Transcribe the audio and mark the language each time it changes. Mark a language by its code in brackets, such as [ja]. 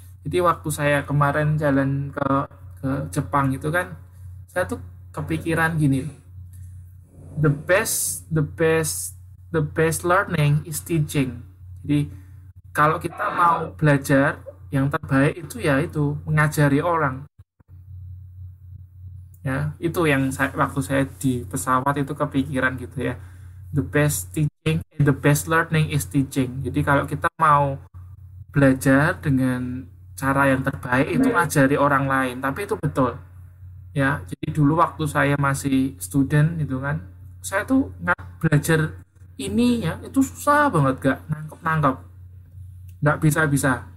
[id] Jadi waktu saya kemarin jalan ke Jepang itu kan, saya tuh kepikiran gini, [en] the best learning is teaching. [id] Jadi kalau kita mau belajar yang terbaik itu ya itu mengajari orang. Ya, itu yang saya, waktu saya di pesawat itu kepikiran gitu ya. [en] The best teaching, the best learning is teaching. [id] Jadi kalau kita mau belajar dengan cara yang terbaik itu ajari orang lain. Tapi itu betul. Ya, jadi dulu waktu saya masih student itu kan, saya tuh nggak belajar ini ya, itu susah banget gak nangkep-nangkep. Nggak bisa-bisa.